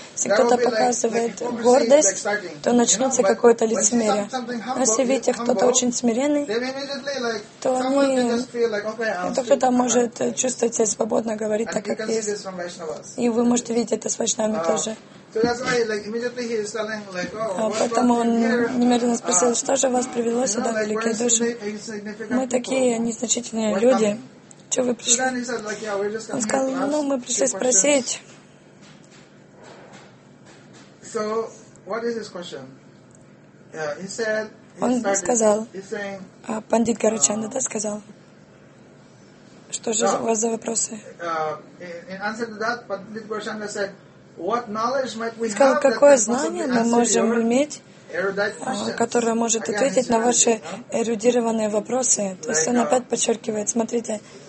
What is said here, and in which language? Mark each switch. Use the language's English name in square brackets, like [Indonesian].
[Russian] Если кто-то показывает гордость, то начнется какое-то лицемерие. Но если видите, кто-то очень смиренный, то они, то кто-то может чувствовать себя свободно, говорить так, как есть. И вы можете видеть это с Вайшнавами тоже. [English] So that's why, like, immediately he is telling, like, oh, what [Russian] поэтому он немедленно спросил, что же вас привело сюда, великие души? Мы такие незначительные люди. Чего вы пришли? Он сказал, ну, мы пришли спросить. [English] So, what is his question? He said, [Russian] он сказал, а пандит Гарачанда, да, сказал? Что же у вас за вопросы? [English] In answer to that, Pandit Gurchanda said, what knowledge might we have? [Russian] Сказал, какое знание мы можем иметь, которое может ответить на ваши эрудированные вопросы? То есть он опять подчеркивает, смотрите.